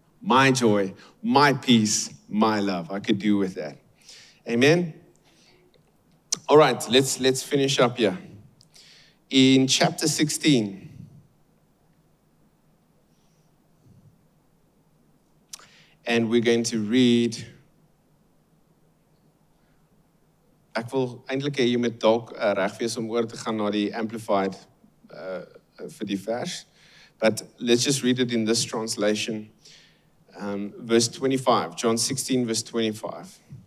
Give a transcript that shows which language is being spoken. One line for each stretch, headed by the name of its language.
English: My joy, my peace, my love. I could do with that. Amen? All right, let's finish up here. In chapter 16, and we're going to read...
Afrikaans: Ek wil eintlik hê jy moet dalk reg wees om oor te gaan na die Amplified vir die vers.
English: But let's just read it in this translation. Verse 25, John 16, verse 25.